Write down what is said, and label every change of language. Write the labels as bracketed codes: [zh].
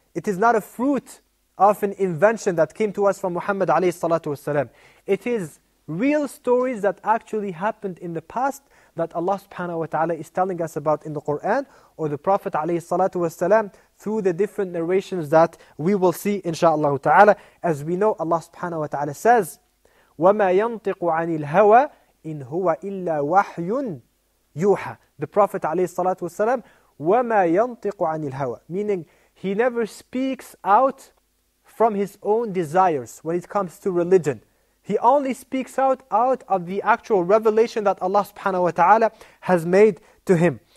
[en] It is not a fruit of an invention that came to us from Muhammad alayhi salatu wasalam. It is real stories that actually happened in the past that Allah subhanahu wa ta'ala is telling us about in the Quran, or the Prophet alayhi salatu wasalam through the different narrations that we will see inshallah ta'ala. As we know, Allah subhanahu wa ta'ala says, [ar] وَمَا يَنْطِقُ عَنِ الْهَوَى إِنْ هُوَ إِلَّا وَحْيٌ يُوحَى. [en] The Prophet alayhi salatu wasalam, [ar] وَمَا يَنْطِقُ عَنِ الْهَوَى, [en] meaning he never speaks out from his own desires when it comes to religion. He only speaks out of the actual revelation that Allah subhanahu wa ta'ala has made to him.